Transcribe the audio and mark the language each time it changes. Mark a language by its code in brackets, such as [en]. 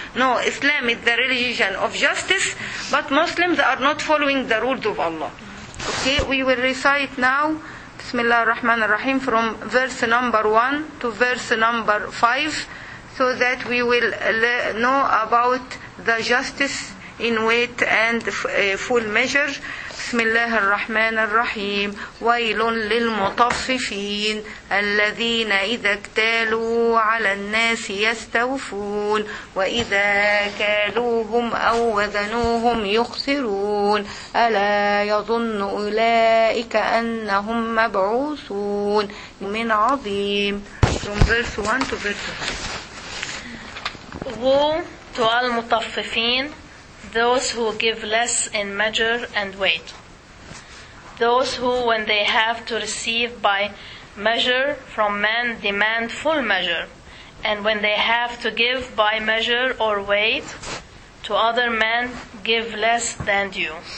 [en] No, Islam is the religion of justice, but Muslims are not following the rules of Allah. Okay, we will recite now, Bismillah ar-Rahman ar-Rahim, from verse number 1 to verse number 5, so that we will know about the justice in weight and full measure. [ar] بسم الله الرحمن الرحيم ويل للمطففين الذين إذا اكتالوا على الناس يستوفون وإذا كالوهم أو وزنوهم يخسرون ألا يظن أولئك أنهم مبعوثون من عظيم. [en] From verse 1 to verse 5. Who to all mutaffifin, those who give less in measure and weight. Those who, when they have to receive by measure from men, demand full measure. And when they have to give by measure or weight to other men, give less than due.